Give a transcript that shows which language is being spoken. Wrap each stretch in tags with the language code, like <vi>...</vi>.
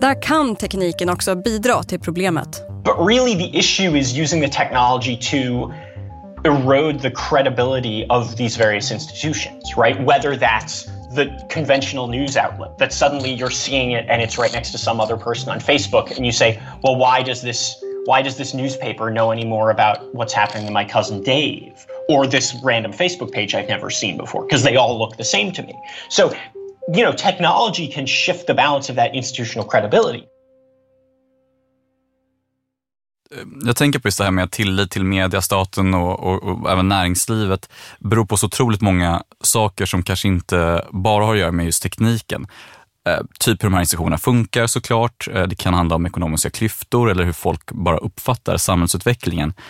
<sv>Där kan tekniken också bidra till problemet.</sv> <en>But really the issue is using the technology to erode the credibility of these various institutions, right? Whether that's the conventional news outlet, that suddenly you're seeing it and it's right next to some other person on Facebook, and you say, well, why does this newspaper know any more about what's happening to my cousin Dave or this random Facebook page I've never seen before? Because they all look the same to me. So, you know, technology can shift the balance of that institutional credibility.</en> <sv>Jag tänker på just det här med att tillit till mediestaten och även näringslivet beror på så otroligt många saker som kanske inte bara har att göra med just tekniken. Typ hur de här institutionerna funkar såklart, det kan handla om ekonomiska klyftor eller hur folk bara uppfattar samhällsutvecklingen.</sv>